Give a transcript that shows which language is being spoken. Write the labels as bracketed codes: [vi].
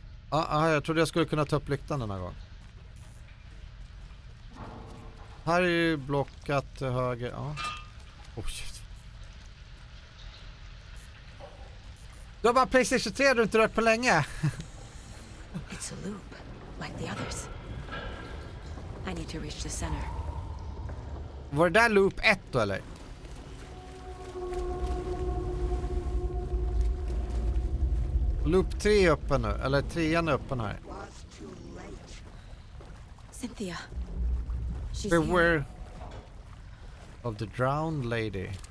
[sv] Jag trodde jag skulle kunna ta upp lyktan den här gången. Här är ju blockat höger. Du har bara PlayStation 3, du har inte rört på länge. [en] It's a loop, like the others. I need to reach the center. [sv] Var det där loop 1 då, eller? Loop 3 är öppen nu, eller 3:an är öppen här. Cynthia. [en] Beware of the drowned lady.